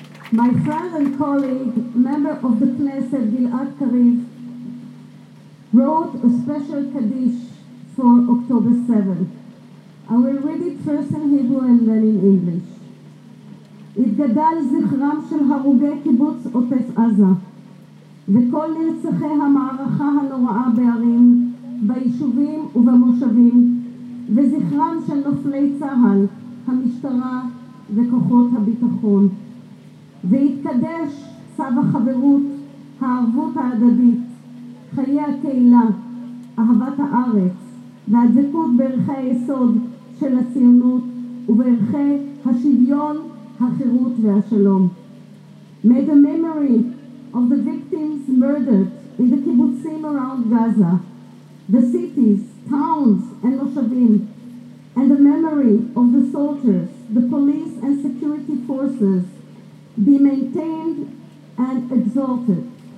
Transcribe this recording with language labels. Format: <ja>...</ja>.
<en>My friend and colleague, member of the Knesset, Gilad Kariv, wrote a special Kaddish for October 7th. I will read it first in Hebrew and then in English.</en> <he>התגדל זכרם של הרוגי קיבוץ עוטף עזה וכל נרצחי המערכה הנוראה בערים, ביישובים ובמושבים וזכרם של נופלי צהל, המשטרה וכוחות הביטחון והתקדש צו החברות, הערבות ההדדית, חיי הקהילה, אהבת הארץ והדבקות בערכי היסוד של הציונות ובערכי השוויון החירות והשלום.</he> <en>May the memory of the victims murdered in the kibbutzim around Gaza, the cities, towns and moshavim, and the memory of the soldiers, the police and security forces be maintained and exalted.</en>